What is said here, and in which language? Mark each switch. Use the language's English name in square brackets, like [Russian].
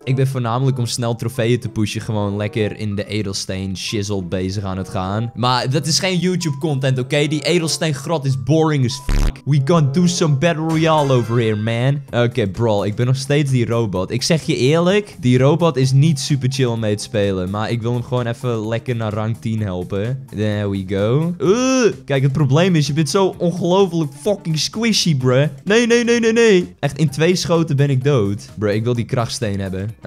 [Dutch] Ik ben voornamelijk om snel trofeeën te pushen gewoon lekker in de edelsteen shizzle bezig aan het gaan. Maar dat is geen YouTube content, oké? Die edelsteen grot is [English] boring as fuck. We gonna do some battle royale over here, man. Oké, brawl. [Dutch] Ik ben nog steeds die robot. Ik zeg je eerlijk, die robot is niet super chill om mee te spelen. Maar ik wil hem gewoon even lekker naar rang 10 helpen. [English] There we go. [Dutch] Kijk, het probleem is, je bent zo ongelooflijk [English] fucking squishy, bruh. [Dutch] Nee. Echt, in 2 schoten ben ik dood. Bruh, ik wil die krachtsteen hebben.